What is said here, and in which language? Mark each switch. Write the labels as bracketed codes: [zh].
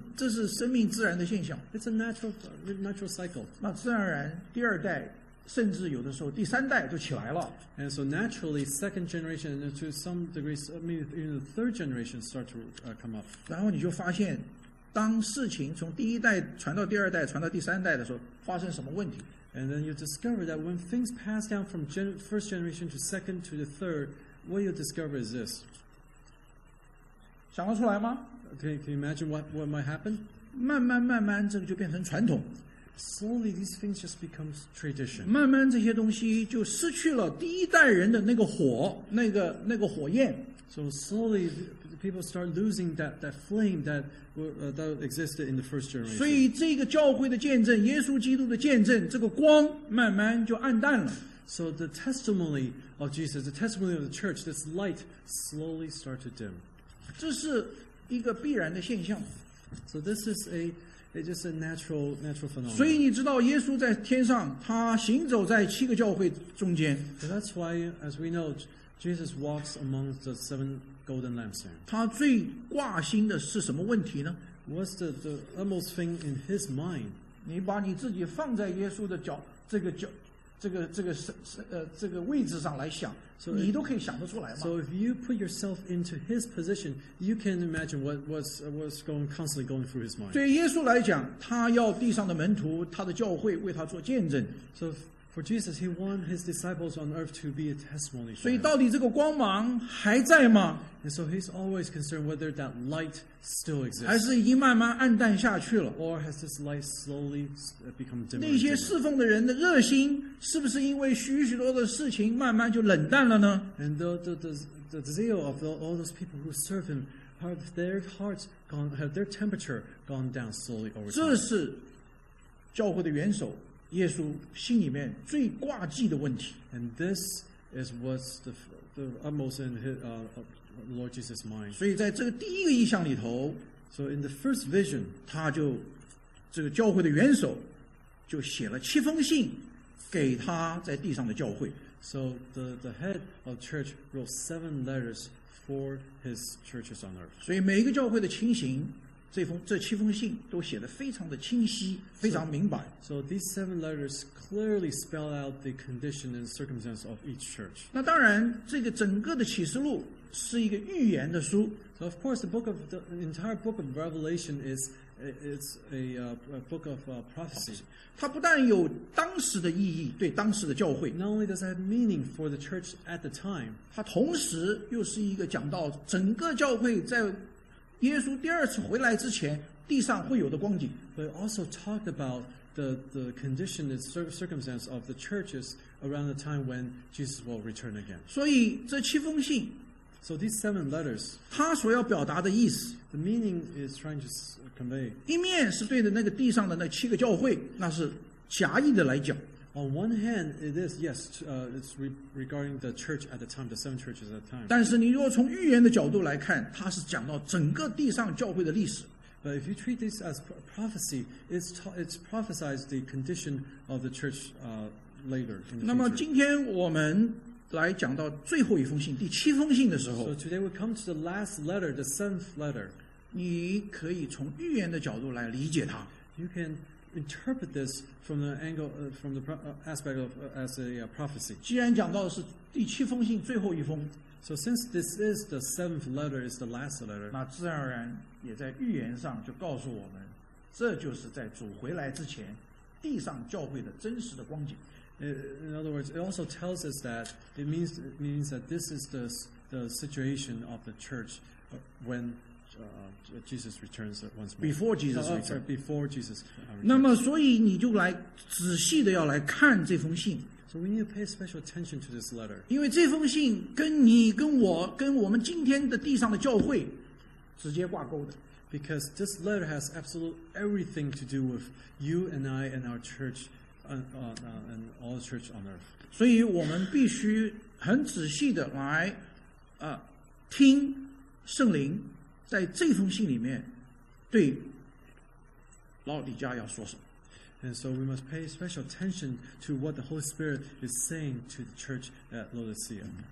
[zh] 这是生命自然的现象 [en] It's a natural cycle. [zh] 那自然而然第二代甚至有的时候第三代就起来了 [en] And so naturally second generation to some degree maybe even the third generation start to come up. [zh] 然后你就发现当事情从第一代传到第二代传到第三代的时候发生什么问题 [en] And then you discover that when things pass down from first generation to second to the third what you discover is this [zh] 想得出来吗 [en] Can you imagine what might happen? [zh] 慢慢慢慢这个就变成传统。 [en] Slowly these things just become tradition. [zh] 慢慢这些东西就失去了第一代人的那个火，那个火焰。 [en] So slowly the people start losing that flame that existed in the first generation. [zh] 所以这个教会的见证，耶稣基督的见证，这个光慢慢就暗淡了。 [en] So the testimony of Jesus, the testimony of the church, this light slowly starts to dim. [zh] 这是一个必然的现象。 [en] So this is It's just a natural phenomenon. [zh] 所以你知道耶稣在天上，他行走在七个教会中间。 [en] So that's why, as we know, Jesus walks among the seven golden lampstands. [zh] 他最挂心的是什么问题呢？ [en] What's the utmost thing in his mind? [zh] 你把你自己放在耶稣的脚，这个位置上来想，你都可以想得出来吗？ [en] So if you put yourself into his position, you can imagine what's going constantly going through his mind. [zh] 对耶稣来讲，他要地上的门徒，他的教会为他做见证。 [en] So for Jesus, he want his disciples on earth to be a testimony. [zh] 所以到底这个光芒还在吗？ [en] And so he's always concerned whether that light still exists. [zh] 还是已经慢慢暗淡下去了？ [en] Or has this light slowly become dimmer? [zh] 那些侍奉的人的热心，是不是因为许许多的事情慢慢就冷淡了呢？ [en] And the zeal of all those people who serve him, have their temperature gone down slowly over time. [zh] 这是教会的元首耶稣心里面最挂记的问题。 [en] And this is what's the utmost in his, Lord Jesus' mind. [zh] 所以在这个第一个意象里头， [en] So in the first vision, [zh] 他就这个教会的元首就写了七封信给他在地上的教会。 [en] So the head of church wrote seven letters for his churches on earth. [zh] 所以每一个教会的情形，这七封信都写得非常的清晰，非常明白。 [en] So these seven letters clearly spell out the condition and circumstance of each church. [zh] 那当然，这个整个的启示录是一个预言的书。 [en] So of course, the entire book of Revelation is a book of prophecy. [zh] 它不但有当时的意义，对当时的教会。 [en] Not only does it have meaning for the church at the time. [zh] 它同时又是一个讲到整个教会在耶稣第二次回来之前地上会有的光景。 [en] But also talk about the condition and circumstance of the churches around the time when Jesus will return again. [zh] 所以这七封信， [en] So these seven letters, [zh] 他所要表达的意思， [en] The meaning is trying to convey. [zh] 一面是对着那个地上的那七个教会，那是狭义的来讲。 [en] On one hand, it is, yes, it's regarding the church at the time, the seven churches at the time. [zh] 但是你如果从预言的角度来看，它是讲到整个地上教会的历史。 [en] But if you treat this as prophecy, it's prophesies the condition of the church later. [zh] 那么今天我们来讲到最后一封信，第七封信的时候。 [en] So today we come to the last letter, the seventh letter. [zh] 你可以从预言的角度来理解它。 [en] You can interpret this from the angle, from the aspect of as a prophecy. [zh] 既然讲到的是第七封信最后一封， [en] So since this is the seventh letter, is the last letter. [zh] 那自然而然也在预言上就告诉我们，这就是在主回来之前地上教会的真实的光景。 [en] In other words, it also tells us that it means that this is the situation of the church when Jesus returns once more. Before Jesus returns. Sorry, before Jesus returns. [zh] 那么所以你就来仔细的要来看这封信。 [en] So we need to pay special attention to this letter. [zh] 因为这封信跟你跟我跟我们今天的地上的教会直接挂钩的。 [en] Because this letter has absolutely everything to do with you and I and our church and all the church on earth. [zh] 所以我们必须很仔细的来听圣灵在这封信里面对老底家要说什么。 [en] And so we must pay special attention to what the Holy Spirit is saying to the church at Laodicea.